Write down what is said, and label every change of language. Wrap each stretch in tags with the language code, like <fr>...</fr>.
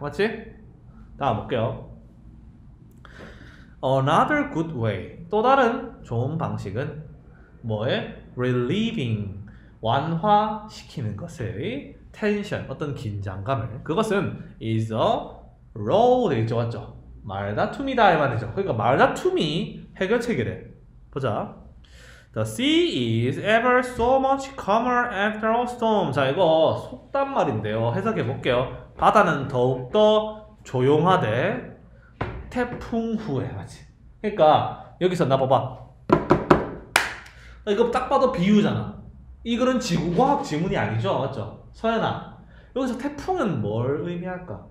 <ko>맞지? 다음 볼게요.</ko> <en>Another good way,</en> <ko>또 다른 좋은 방식은 뭐에? Relieving, 완화시키는 것을 텐션, 어떤 긴장감을. 그것은</ko> <en>is a road</en> <ko>있죠, 맞죠? 말다툼이다 이 말이죠. 그러니까 말다툼이 해결책이래. 보자.</ko> <en>The sea is ever so much calmer after a storm.</en> <ko>자, 이거 속담 말인데요. 해석해 볼게요. 바다는 더욱더 조용하대 태풍 후에, 맞지? 그러니까 여기서 나 봐봐. 이거 딱 봐도 비유잖아. 이 글은 지구과학 지문이 아니죠, 맞죠? 서연아, 여기서 태풍은 뭘 의미할까?</ko>